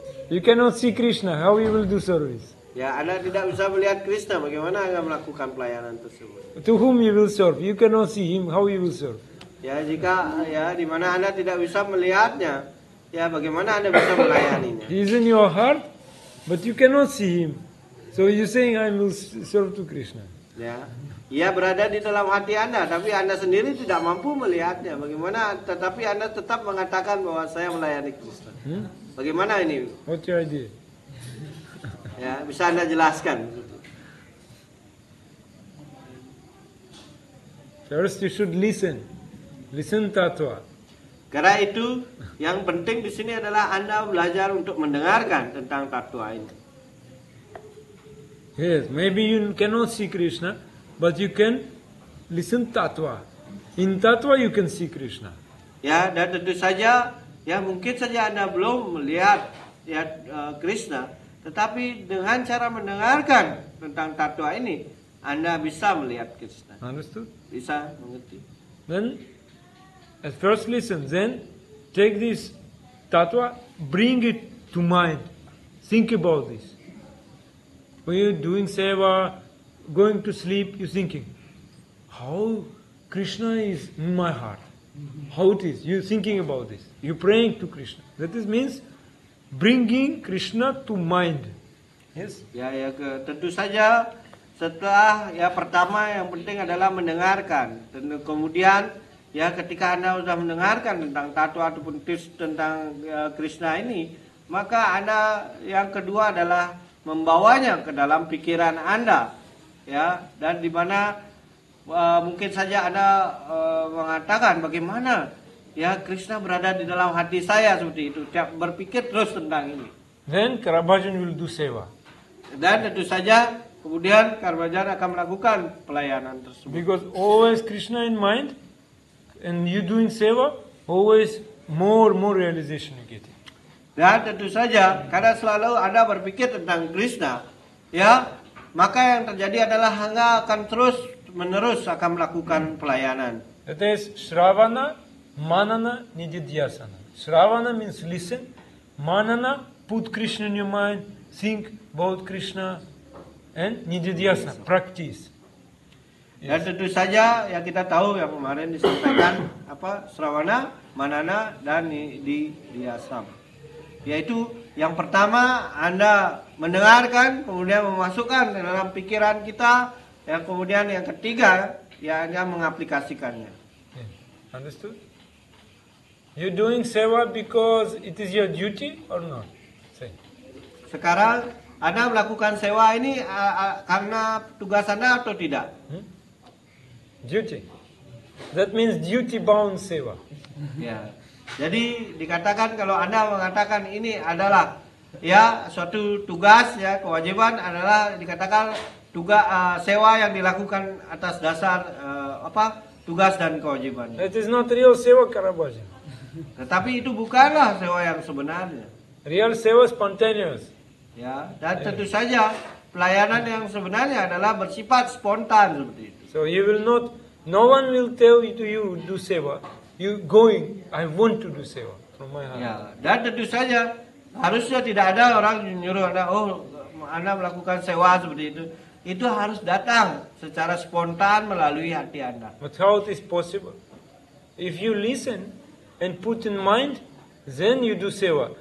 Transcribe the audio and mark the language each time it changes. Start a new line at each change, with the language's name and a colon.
English: You cannot see Krishna. How you will do service?
Indonesian: Ya, Anda tidak bisa melihat Krishna. Bagaimana Anda melakukan pelayanan tersebut?
English: To whom you will serve? You cannot see him. How you will serve?
Indonesian: Ya, jika ya di mana Anda tidak bisa melihatnya, ya bagaimana Anda bisa melayaninya?
English: He is in your heart. But you cannot see him. So you saying I will serve to Krishna. Ya.
Indonesian: Ia berada di dalam hati Anda, tapi Anda sendiri tidak mampu melihatnya. Bagaimana tetapi Anda tetap mengatakan bahwa saya melayani Krishna. Hmm? Bagaimana ini?
English: What's your idea?
Indonesian: Ya, bisa Anda jelaskan?
English: First you should listen. Listen tatwa.
Indonesian: Karena itu yang penting di sini adalah Anda belajar untuk mendengarkan tentang tatwa ini.
English: Yes, maybe you cannot see Krishna, but you can listen tatwa. In tatwa you can see Krishna.
Indonesian: Ya, dan tentu saja ya mungkin saja Anda belum melihat ya Krishna, tetapi dengan cara mendengarkan tentang tatwa ini Anda bisa melihat Krishna.
English: Understood?
Indonesian: Bisa mengerti.
English: Then at first listen, then take this tatwa, bring it to mind. Think about this. When you're doing seva, going to sleep, you're thinking, how Krishna is in my heart. How it is? You're thinking about this. You're praying to Krishna. That is means bringing Krishna to mind. Yes?
Indonesian: Ya, ya, tentu saja setelah, ya pertama yang penting adalah mendengarkan. Kemudian, ya ketika Anda sudah mendengarkan tentang tatwa ataupun tips tentang Krishna ini, maka Anda yang kedua adalah membawanya ke dalam pikiran Anda. Ya, dan di mana mungkin saja Anda mengatakan bagaimana ya Krishna berada di dalam hati saya seperti itu, tiap berpikir terus tentang ini.
English: Then Karabajan will do seva.
Indonesian: Dan tentu saja kemudian Karabajan akan melakukan pelayanan tersebut.
English: Because always Krishna in mind and you doing seva, always more realization you get.
Indonesian: Dan tentu saja karena selalu Anda berpikir tentang Krishna, ya maka yang terjadi adalah Anda akan terus menerus akan melakukan pelayanan.
English: That is shravana, manana, nididhyasana. Shravana means listen, manana put Krishna in your mind, think about Krishna, and nididhyasana practice.
Indonesian: Ya yes. Tentu saja ya kita tahu yang kemarin disampaikan apa shravana, manana dan nididhyasana. Yaitu yang pertama Anda mendengarkan kemudian memasukkan dalam pikiran kita. Ya, kemudian yang ketiga, ya Anda mengaplikasikannya.
English: Yeah. Understood? You doing seva because it is your duty or not? Say.
Indonesian: Sekarang Anda melakukan seva ini karena tugas Anda atau tidak?
English: Duty. That means duty bound seva. Yeah.
Indonesian: Jadi dikatakan kalau Anda mengatakan ini adalah ya suatu tugas ya kewajiban adalah dikatakan tugas sewa yang dilakukan atas dasar apa tugas dan kewajiban.
English: It is not real sewa Karabajan.
Indonesian: Tetapi itu bukanlah sewa yang sebenarnya.
English: Real sewa spontaneous.
Indonesian: Ya, dan tentu saja pelayanan yang sebenarnya adalah bersifat spontan seperti itu.
English: So you will not, no one will tell you to you do sewa. You going, I want to do sewa from my heart.
Indonesian: Ya, dan tentu saja harusnya tidak ada orang nyuruh Anda, oh Anda melakukan sewa seperti itu. Itu harus datang secara spontan melalui hati Anda.
English: But how it is possible? If you listen and put in mind, then you do seva.